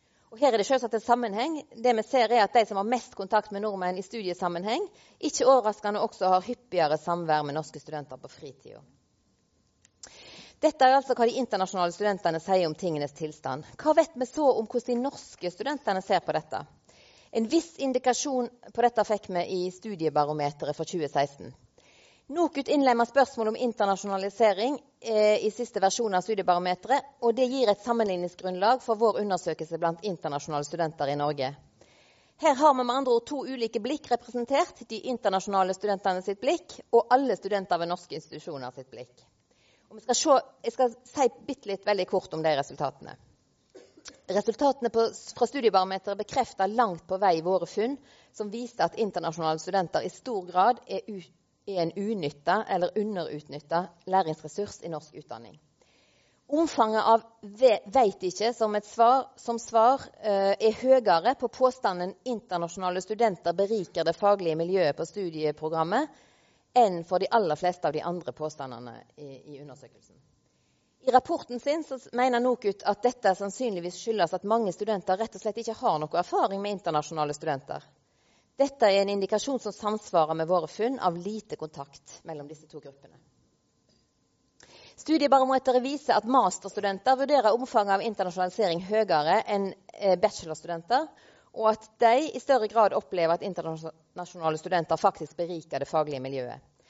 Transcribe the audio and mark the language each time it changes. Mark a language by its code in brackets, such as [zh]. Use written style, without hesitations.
[sv] Och här är det självklart ett sammanhang. Det vi ser är att de som har mest kontakt med norrmän i studiesammanhang, inte överraskande också har hyppigare samvär med norska studenter på fritid. Detta är alltså vad de internationella studenterna säger om tingens tillstånd. Vad vet vi så om hur de norska studenterna ser på detta? En viss indikation på detta fick vi i studiebarometret för 2016. [no] NOKUT innlemmer spørsmål om internasjonalisering i siste versjon av studiebarometret, og det gir et sammenligningsgrunnlag for vår undersøkelse blant internasjonale studenter i Norge. Her har vi med andre ord to ulike blikk representert, de internasjonale studentene sitt blikk, og alle studenter ved norske institusjoner sitt blikk. Og vi skal se, jeg skal si bitt litt veldig kort om de resultatene. Resultatene fra studiebarometeret bekreftet langt på vei våre funn, som viste at internasjonale studenter i stor grad er utenfor i en unyttet eller underutnyttet læringsresurs i norsk utdanning. Omfanget av vet ikke som et svar, som svar er høyere på påstanden internasjonale studenter beriker det faglige miljøet på studieprogrammet enn for de aller fleste av de andre påstandene i undersøkelsen. I rapporten sin så mener NOKUT at dette sannsynligvis skyldes at mange studenter rett og slett ikke har noe erfaring med internasjonale studenter. [sv] Detta är en indikation som samsvarar med våra funn av lite kontakt mellan dessa två grupperna. Studiebarometret visar att masterstudenter värderar omfång av internationalisering högre än bachelorstudenter och att de i större grad upplever att internationella studenter faktiskt berikar det fagliga miljöet.